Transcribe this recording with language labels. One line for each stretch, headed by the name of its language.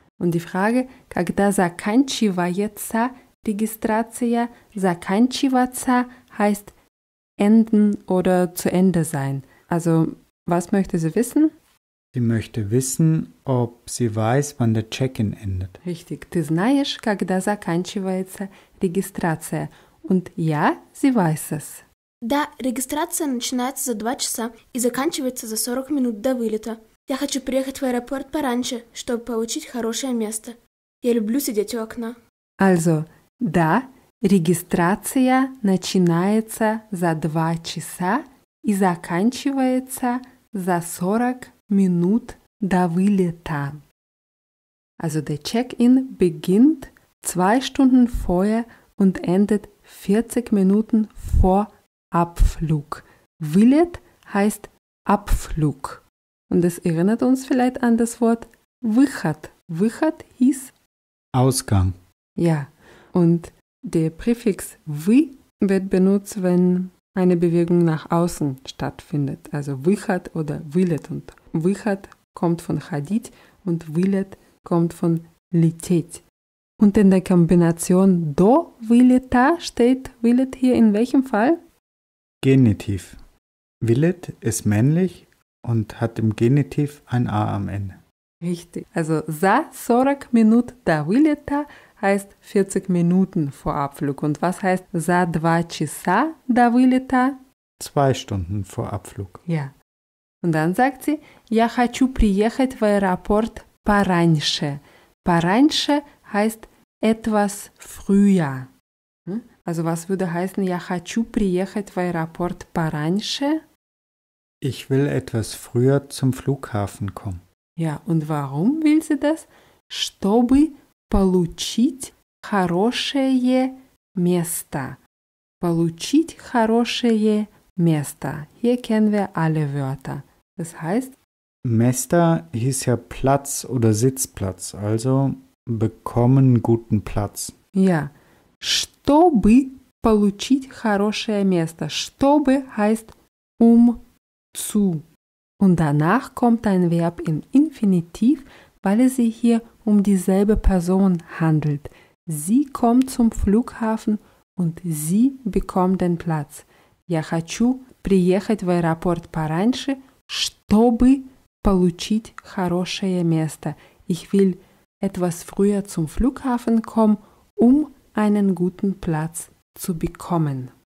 German: Und die Frage,
Russian: когда заканчивается регистрация,
German: заканчиваться heißt enden oder zu Ende sein. Also, was möchte sie wissen? Sie möchte wissen, ob sie weiß, wann der Check-in endet. Richtig.
Russian: Ты знаешь, когда заканчивается регистрация?
German: Und ja, sie weiß es.
Russian: Да, регистрация начинается за 2 часа и заканчивается за 40 минут до вылета. Я хочу приехать в аэропорт пораньше, чтобы получить хорошее место. Я люблю сидеть у окна. Also, да, регистрация начинается за 2 часа и заканчивается за 40 минут до вылета.
German: Also, der Check-in beginnt 2 Stunden vorher und endet 40 Minuten vor Abflug. Вылет heißt Abflug. Und das erinnert uns vielleicht an das Wort Выход. Выход hieß Ausgang. Ja, und der Präfix Вы wird benutzt, wenn eine Bewegung nach außen stattfindet. Also Выход oder Вылет. Und Выход kommt von Ходить und Вылет kommt von Лететь. Und in der Kombination До Вылета steht Вылет hier in welchem Fall? Genitiv. Вылет ist männlich. Und hat im Genitiv ein A am Ende. Richtig. Also,
Russian: за 40 минут до вылета
German: heißt 40 Minuten vor Abflug. Und was heißt за 2 часа до вылета? 2 Stunden vor Abflug. Ja. Und dann sagt sie,
Russian: я хочу приехать в аэропорт пораньше.
German: Пораньше heißt etwas früher. Also, was würde heißen,
Russian: я хочу приехать в аэропорт пораньше?
German: Ich will etwas früher zum Flughafen kommen. Ja, und warum will sie das?
Russian: Чтобы получить хорошее место. Получить хорошее место.
German: Hier kennen wir alle Wörter. Das heißt? Место hieß ja Platz oder Sitzplatz, also bekommen guten Platz.
Russian: Ja, чтобы получить хорошее место. Чтобы
German: heißt um zu. Und danach kommt ein Verb im Infinitiv, weil es sich hier um dieselbe Person handelt. Sie kommt zum Flughafen und sie bekommt den Platz.
Russian: Я хочу приехать в аэропорт пораньше, чтобы получить хорошее место.
German: Ich will etwas früher zum Flughafen kommen, um einen guten Platz zu bekommen.